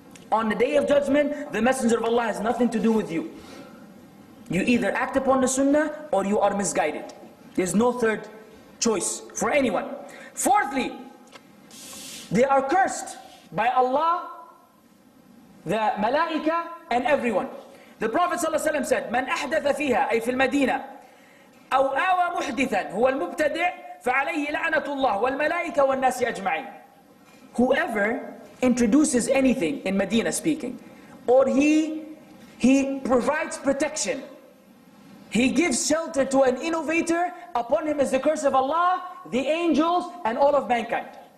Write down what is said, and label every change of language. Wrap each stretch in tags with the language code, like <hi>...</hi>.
<en>On the day of judgment, the Messenger of Allah has nothing to do with you. You either act upon the sunnah or you are misguided. There's no third choice for anyone. Fourthly, they are cursed by Allah, the malaika, and everyone. The Prophet ﷺ said,</en> <ar>من أحدث فيها أي في المدينة أو آوى محدثا هو المبتدع فعليه لعنة الله والملائكة والناس أجمعين.</ar> <en>Whoever introduces anything in Medina speaking, or he provides protection, he gives shelter to an innovator, upon him is the curse of Allah, the angels, and all of mankind.</en>